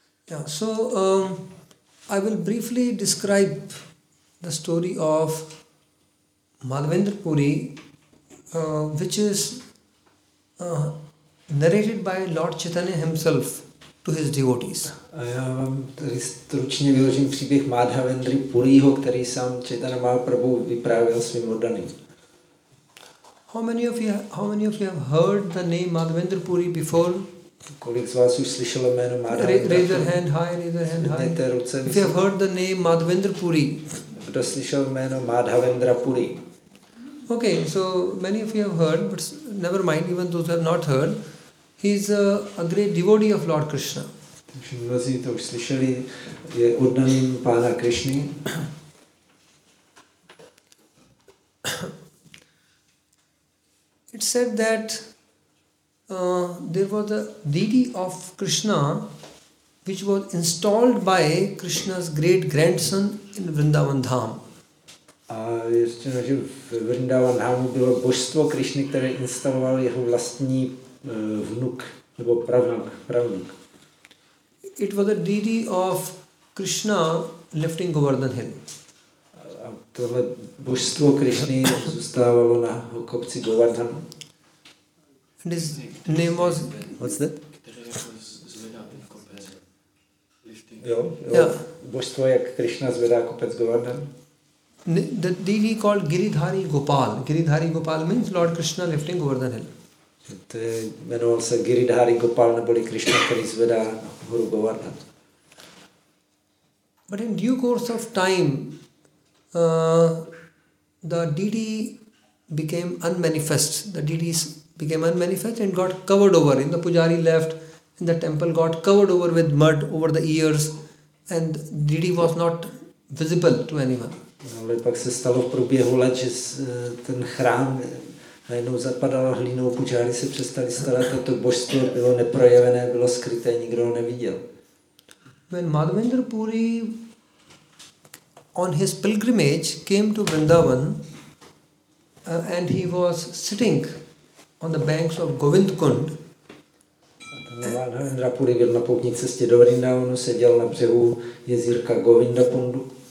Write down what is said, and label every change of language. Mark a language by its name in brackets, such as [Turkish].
[English] Yeah, so I will briefly describe the story of Madhavendra Puri, which is narrated by Lord Chaitanya himself to his devotees. [Czech] A já vám tady stručně vyložím příběh Madhavendry Puriho, který sám Chaitanya Mahaprabhu vyprávěl svým oddaným. [English] How many of you have heard the name Madhavendra Puri before? [Czech] Kolik z vás už slyšelo jméno Madhavendra [English] Puri? Raise your hand high. [Czech] Zvedněte ruce. [English] If you have heard the name Madhavendra Puri. [Czech] Kdo slyšel jméno Madhavendra Puri? [English] Okay, so many of you have heard, but never mind, even those who have not heard, he is a great devotee of Lord Krishna. [Czech] Takže mnozí to už slyšeli, je oddaným pána Krishny. [English] It said that there was a deity of Krishna which was installed by Krishna's great grandson in Vrindavan Dham. [Czech] A ještě na že v Vrindavan Dhamu bylo božstvo Krišny, které instaloval jeho vlastní vnuk nebo pravnuk. [English] It was a deity of Krishna lifting Govardhan Hill. [Czech] A tohle božstvo Krišny zůstávalo na kopci Govardhan. [English] And his name was... What's that? [Czech] Jo. Božstvo, jak Krishna zvedá kopec Govardhan. [English] The deity called Giridhari Gopal. Giridhari Gopal means Lord Krishna lifting Govardhan Hill. [Czech] To je, jmenoval se Giridhari Gopal, neboli Krishna, který zvedá horu Govardhan. [English] But in due course of time, the deity became unmanifest. The deity became unmanifest and got covered over. In the pujari left, in the temple got covered over with mud over the years, and deity was not visible to anyone. [Czech] Ale pak se stalo v průběhu let, že ten chrám najednou zapadal hlínou, pujáři se přestali starat a to božstvo bylo neprojevené, bylo skryté, nikdo ho neviděl. [English] When Madhavendra Puri on his pilgrimage came to Vrindavan and he was sitting on the banks of Govind Kund. [Czech] Madhavendra Puri byl na poutní cestě do Vrindavanu, seděl na břehu jezírka Govinda Kundu.